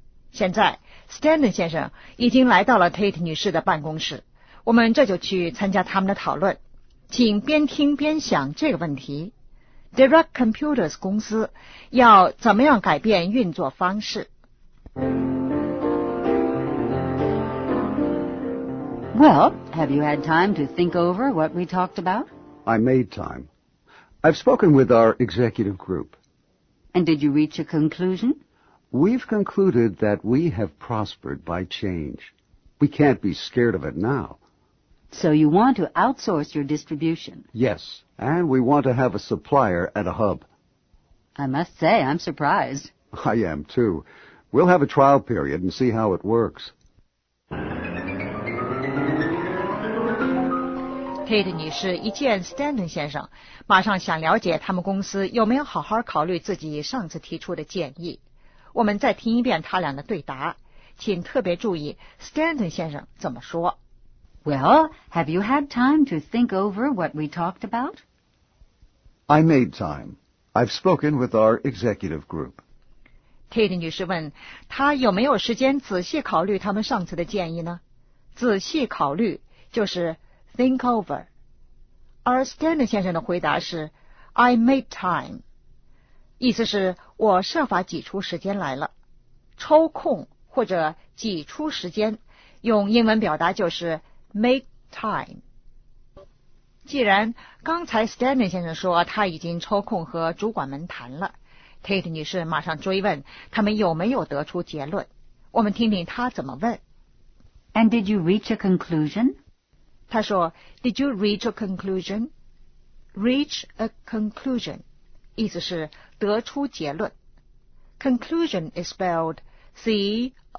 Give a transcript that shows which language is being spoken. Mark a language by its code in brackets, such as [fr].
[zh] 现在Stanton 先生已经来到了 Tate 女士的办公室，我们这就去参加他们的讨论。请边听边想这个问题， Direct Computers 公司要怎么样改变运作方式？ [en] Well, have you had time to think over what we talked about? I made time. I've spoken with our executive group. And did you reach a conclusion? We've concluded that we have prospered by change. We can't be scared of it now. So you want to outsource your distribution? Yes, and we want to have a supplier at a hub. I must say, I'm surprised. I am too. We'll have a trial period and see how it works. [zh] Tate 女士一见 Stanton 先生，马上想了解他们公司有没有好好考虑自己上次提出的建议。我们再听一遍他俩的对答，请特别注意 Stanton 先生怎么说。 [en] Well, have you had time to think over what we talked about? I made time. I've spoken with our executive group. [zh] Tate 女士问，她有没有时间仔细考虑他们上次的建议呢？仔细考虑就是 think over. 而 Stanton 先生的回答是 [en] I made time. [zh] 意思是我设法挤出时间来了，抽空或者挤出时间，用英文表达就是 make time。既然刚才 Stanton 先生说他已经抽空和主管们谈了， Tate 女士马上追问他们有没有得出结论，我们听听他怎么问。 [en] And did you reach a conclusion? [zh] 他说 [en] Did you reach a conclusion? [zh] Reach a conclusion意思是得出结论。 [en] Conclusion is spelled C-O-N-C-L-U-S-I-O-N。